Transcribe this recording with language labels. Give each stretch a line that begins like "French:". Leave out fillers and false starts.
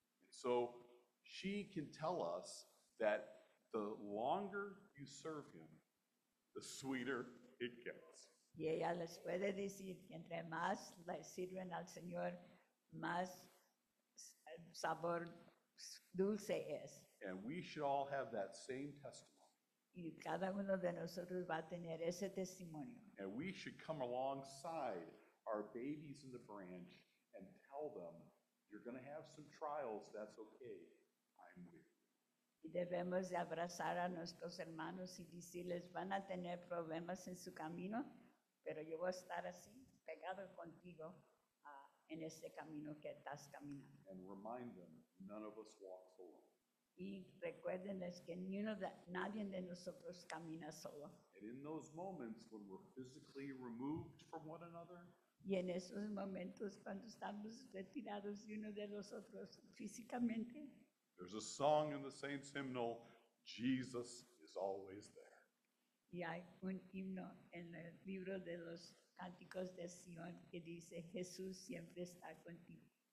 English: So she can tell us that the longer you serve him, the sweeter it gets.
Spanish: Y ella les puede decir que entre más le sirven al Señor, más sabor dulce es.
English: And we should all have that same testimony.
Spanish: Y cada uno de nosotros va a tener ese testimonio.
English: And we should come alongside our babies in the branch and tell them, you're going to have some trials, that's okay.
Spanish: Y debemos de abrazar a nuestros hermanos y decirles, van a tener problemas en su camino, pero yo voy a estar así, pegado contigo en ese camino que estás caminando.
English: And remind them, none of us walks alone.
Spanish: Y recuérdenles que nadie de nosotros camina solo.
English: And in those moments when we're physically removed from one another,
Spanish: y en esos momentos cuando estamos retirados de uno de los otros físicamente,
English: there's a song in the Saints' hymnal, Jesus is always there.
Spanish: Y hay un himno en el libro de los Cánticos de Sion que dice, Jesús siempre está contigo.